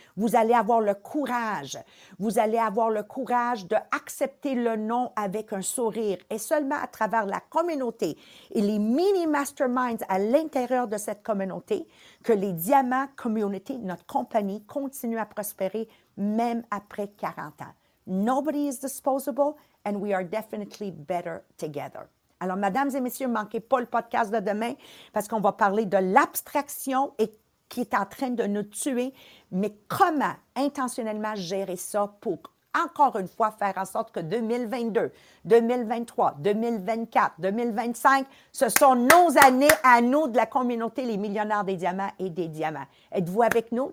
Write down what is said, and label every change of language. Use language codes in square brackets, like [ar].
[fr] Vous allez avoir le courage. Vous allez avoir le courage d'accepter le non avec un sourire. Et seulement à travers la communauté et les mini masterminds à l'intérieur de cette communauté, que les Diamants Community, notre compagnie, continuent à prospérer même après 40 ans. [en] Nobody is disposable and we are definitely better together. [fr] Alors, mesdames et messieurs, manquez pas le podcast de demain parce qu'on va parler de l'abstraction et qui est en train de nous tuer, mais comment intentionnellement gérer ça pour, encore une fois, faire en sorte que 2022, 2023, 2024, 2025, ce sont nos années à nous de la communauté Les Millionnaires des Diamants et des Diamants. Êtes-vous avec nous?